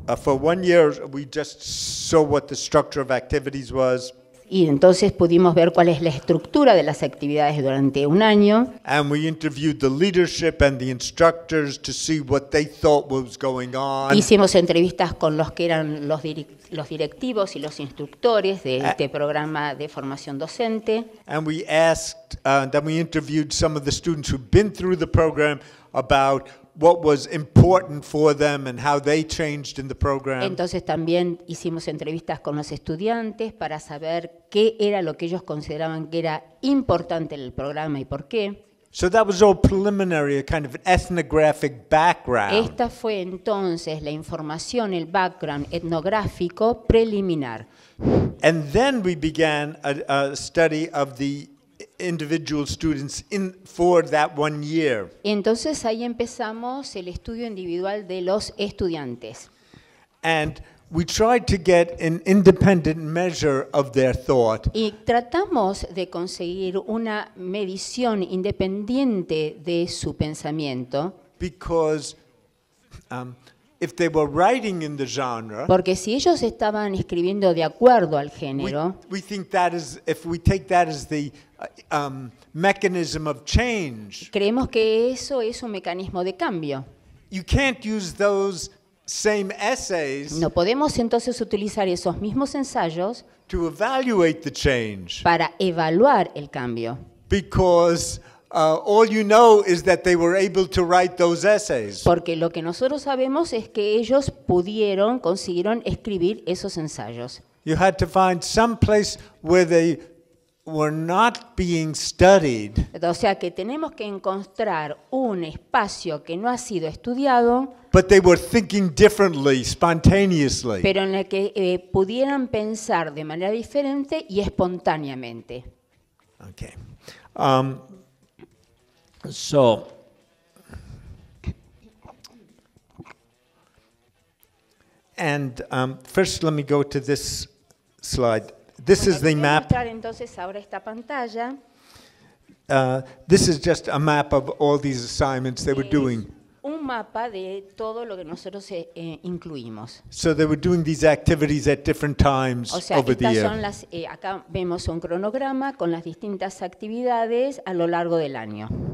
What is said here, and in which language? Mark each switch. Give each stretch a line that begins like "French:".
English: For 1 year, we just saw what the structure of activities was.
Spanish: Y entonces pudimos ver cuál es la estructura de las actividades durante un año.
English: And we interviewed the leadership and the instructors to see what they thought was going on.
Spanish: Hicimos entrevistas con los que eran los directivos y los instructores de este programa de formación docente.
English: And we asked, then we interviewed some of the students who've been through the program about what was important for them and how they changed in the program.
Spanish: Entonces también hicimos entrevistas con los estudiantes para saber qué era lo que ellos consideraban que era importante en el programa y por qué.
English: So that was all preliminary, a kind of ethnographic background.
Spanish: Esta fue entonces la información, el background etnográfico preliminar.
English: And then we began a study of the individual students in for that 1 year.
Spanish: Entonces ahí empezamos el estudio individual de los estudiantes.
English: And we tried to get an independent measure of their thought.
Spanish: Y tratamos de conseguir una medición independiente de su pensamiento.
English: Because if they were writing in the genre,
Spanish: porque si ellos estaban escribiendo de acuerdo al género,
English: we think that is if we take that as the mechanism of change.
Spanish: Creemos que eso es un mecanismo de cambio.
English: You can't use those same essays.
Spanish: No podemos entonces utilizar esos mismos ensayos
English: to evaluate the change.
Spanish: Para evaluar el cambio.
English: Because all you know is that they were able to write those essays.
Spanish: Porque lo que nosotros sabemos es que ellos consiguieron escribir esos ensayos.
English: You had to find some place where they were not being studied.
Spanish: O sea que tenemos que encontrar un espacio que no ha sido estudiado.
English: But they were thinking differently, spontaneously.
Spanish: Pero en el que pudieran pensar de manera diferente y espontáneamente.
English: Okay. So and first let me go to this slide. This is the map.
Spanish: Entonces ahora esta pantalla.
English: This is just a map of all these assignments they were doing.
Spanish: Un mapa de todo lo que nosotros incluimos.
English: So they were doing these activities at different times over the year.
Spanish: O sea, estas son acá vemos un cronograma con las distintas actividades a lo largo del año.